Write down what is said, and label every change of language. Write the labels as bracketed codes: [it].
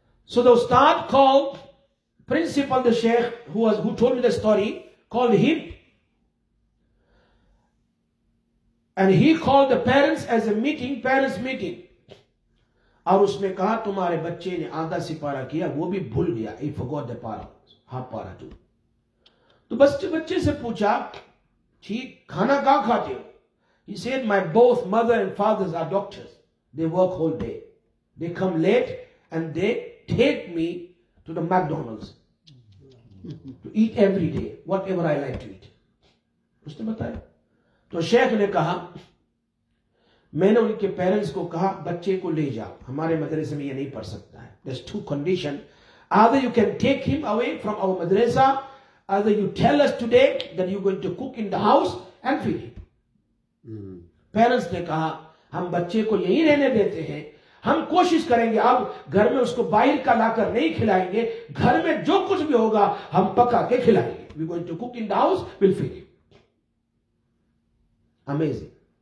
[en] So the استاد call principal the شیخ who was who told me the story call him, and he called the parents as a meeting, parents meeting. [hi] और उसने कहा तुम्हारे बच्चे ने आधा सिपारा किया, वो भी भूल गया, [en] He forgot the पारा, half पारा too. [hi] तो बच्चे से पूछा ठीक खाना कहाँ खाते हो, [en] he said my both mother and fathers are doctors, they work whole day, they come late and they take me to the McDonald's to eat every day whatever I like to eat। [hi] उसने बताया। तो शेख ने कहा मैंने उनके parents को कहा बच्चे को ले जाओ हमारे मदरसे में, ये नहीं पढ़ सकता है। [en] There's two condition, either you can take him away from our madrasa, either you tell us today that you're going to cook in the house and feed him। [hi] Parents ने कहा हम बच्चे को यहीं रहने देते हैं, हम कोशिश करेंगे अब घर में उसको बाहर का लाकर नहीं खिलाएंगे, घर में जो कुछ भी होगा हम पका के खिलाएंगे, [en] we're going to cook in the house, we'll feed him। Amazing।